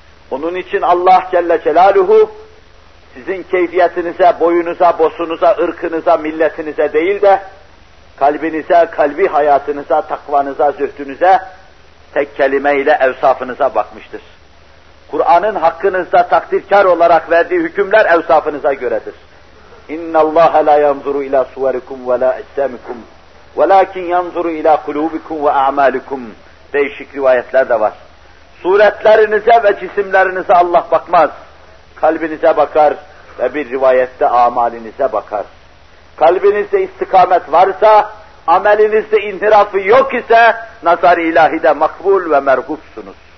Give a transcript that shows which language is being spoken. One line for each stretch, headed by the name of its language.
Turkish: Onun için Allah Celle Celaluhu sizin keyfiyetinize, boyunuza, bosunuza, ırkınıza, milletinize değil de kalbinize, kalbi hayatınıza, takvanıza, zühdünüze tek kelimeyle evsafınıza bakmıştır. Kur'an'ın hakkınızda takdirkar olarak verdiği hükümler evsafınıza göredir.
Arabic: اِنَّ اللّٰهَ لَا يَنْظُرُ اِلَى سُوَرِكُمْ وَلَا اَجْسَامِكُمْ وَلَاكِنْ يَنْظُرُ اِلَى قُلُوبِكُمْ وَاَعْمَالِكُمْ
Turkish: Değişik rivayetler de var. Suretlerinize ve cisimlerinize Allah bakmaz. Kalbinize bakar ve bir rivayette amalinize bakar. Kalbinizde istikamet varsa, amelinizde inhirafı yok ise, nazar-ı ilahide makbul ve mergufsunuz.